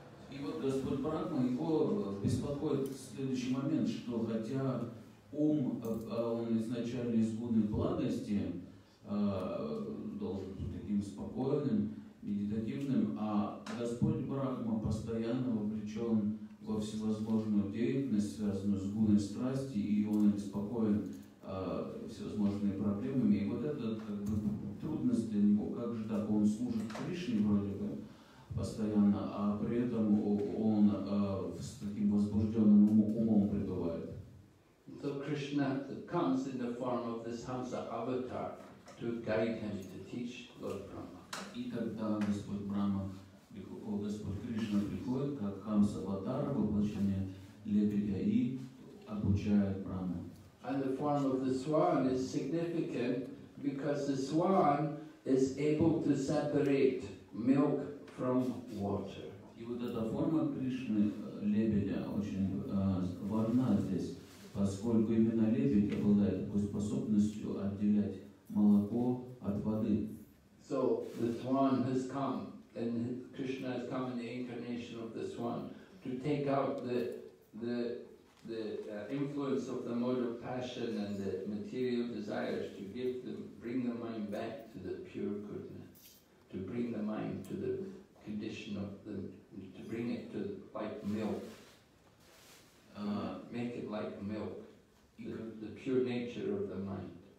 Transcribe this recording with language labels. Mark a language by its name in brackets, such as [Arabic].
[Russian] И вот Господь Брахма, его беспокоит следующий момент, что хотя ум, он изначально из гуны благости, должен быть таким спокойным, медитативным, а Господь Брахма постоянно вовлечен во всевозможную деятельность, связанную с гуной страсти, и он обеспокоен всевозможными проблемами. И вот это как бы трудность для него, как же так, он служит Кришне вроде бы постоянно, а при этом он с таким возбужденным умом пребывает. [English] So Krishna comes in the form of this Hamsa avatar to guide him, to teach Lord Brahma. [Russian] И тогда Господь Брама, Господь Кришна приходит как Хамса аватар, воплощение лебедя, и обучает Браму. [English] And the form of the swan is significant Because the swan is able to separate milk from water. [Russian] И вот эта форма Кришны лебедя очень важна здесь, поскольку именно лебедь обладает такой способностью отделять молоко от воды. [English] So the swan has come, and Krishna has come in the incarnation of the swan to take out the influence of the mode of passion and the material desires to give them, bring the mind back to the pure goodness, to bring the mind to the condition of the, to bring it to like milk, make it like milk, the pure nature of the mind.